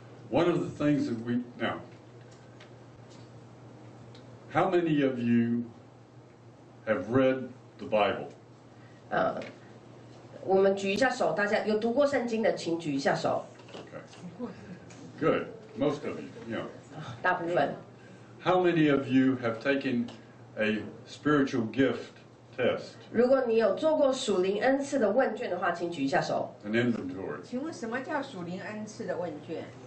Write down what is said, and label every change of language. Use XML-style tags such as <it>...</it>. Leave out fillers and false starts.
<en>One of the things that we, now, how many of you have read the Bible?</en> <zh>我们举一下手，大家有读过圣经的，请举一下手。</zh> <en>Okay. Good, most of you, you know.</en> <zh>大部分</zh> <en>How many of you have taken a spiritual gift test?</en> <zh>如果你有做过属灵恩赐的问卷的话，请举一下手。</zh> <en>An inventory.</en> <zh>请问什么叫属灵恩赐的问卷？</zh>